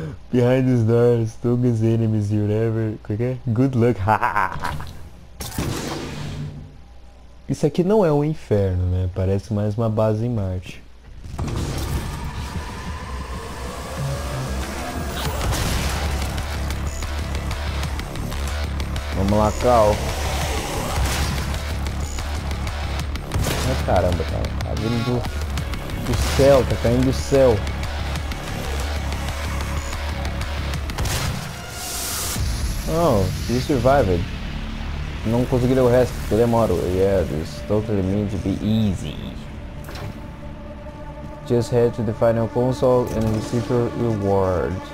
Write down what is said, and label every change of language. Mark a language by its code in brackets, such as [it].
[en] Behind these doors, strongest enemies you'll ever. Okay? Good luck. [pt] Isso aqui não é um inferno, né? Parece mais uma base em Marte. Vamos lá, Cal. Ai, caramba, cara. Tá vindo do céu, tá caindo do céu. [en] Oh, you survived. [pt] Não consegui ler o resto, porque demoro. [en] Yeah, this totally meant to be easy. Just head to the final console and receive your reward.